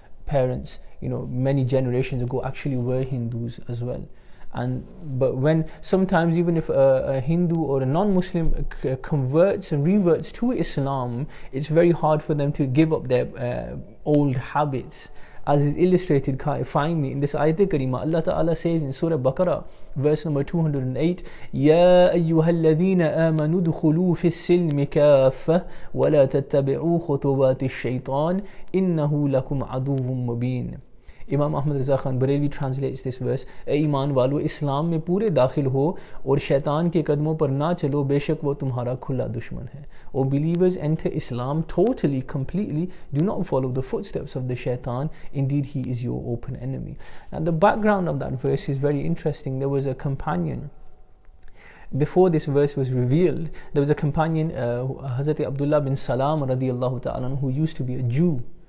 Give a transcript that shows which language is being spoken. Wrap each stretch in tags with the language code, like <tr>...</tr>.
<en>parents, you know, many generations ago actually were Hindus as well. And but when sometimes even if a Hindu or a non-Muslim converts and reverts to Islam, it's very hard for them to give up their old habits, as is illustrated finally in this ayat kareema. Allah Ta'ala says in Surah Baqarah, verse number 208,</en> <ar>يَا أَيُّهَا الَّذِينَ آمَنُوا دُخُلُوا فِي السِّلْمِ كَافَّةِ وَلَا تَتَّبِعُوا خُطُوَاتِ الشَّيْطَانِ إِنَّهُ لَكُمْ عَدُوٌ مُبِينٌ.</ar> <ur>Imam Ahmad Raza Khan Bareilly</ur> <en>translates this verse,</en> <ur>اے ایمان والو اسلام میں پورے داخل ہو اور شیطان کے قدموں پر نہ چلو بے شک وہ تمہارا کھلا دشمن ہے.</ur> <en>O believers, enter Islam totally, completely. Do not follow the footsteps of the shaitan. Indeed, he is your open enemy. And the background of that verse is very interesting. There was a companion. Before this verse was revealed, there was a companion, Hazrat Abdullah bin Salam radiallahu ta'ala, who used to be a Jew.</en>